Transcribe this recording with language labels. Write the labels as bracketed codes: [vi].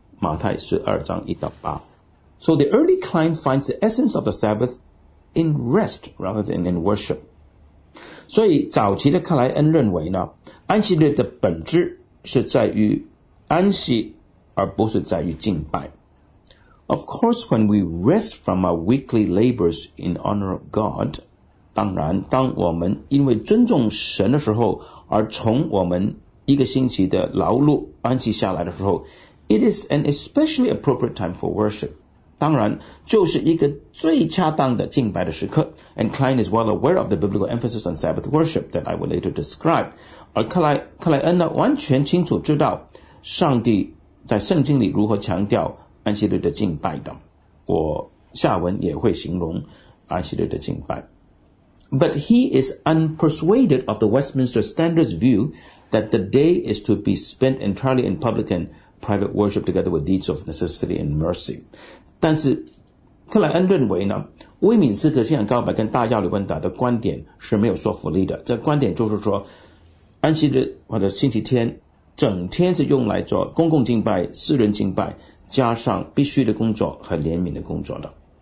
[zh] 马太十二章一到八 [en] So the early Klein finds the essence of the Sabbath in rest rather than in worship. [zh] 所以早期的克莱恩认为呢，安息日的本质是在于安息，而不是在于敬拜。 [en] Of course, when we rest from our weekly labors in honor of God, [zh] 当然，当我们因为尊重神的时候，而从我们一个星期的劳碌安息下来的时候。 [en] It is an especially appropriate time for worship. [zh] 当然就是一个最恰当的敬拜的时刻 [en] And Klein is well aware of the biblical emphasis on Sabbath worship that I will later describe. [zh] 而克莱恩呢完全清楚知道上帝在圣经里如何强调安息日的敬拜的。我下文也会形容安息日的敬拜。 [en] But he is unpersuaded of the Westminster Standard's view that the day is to be spent entirely in public and private worship together with deeds of necessity and mercy. [zh] 但是克莱恩认为呢，威敏斯特信仰告白跟大亚历文达的观点是没有说服力的。这观点就是说，安息日或者星期天整天是用来做公共敬拜、私人敬拜，加上必须的工作和怜悯的工作的。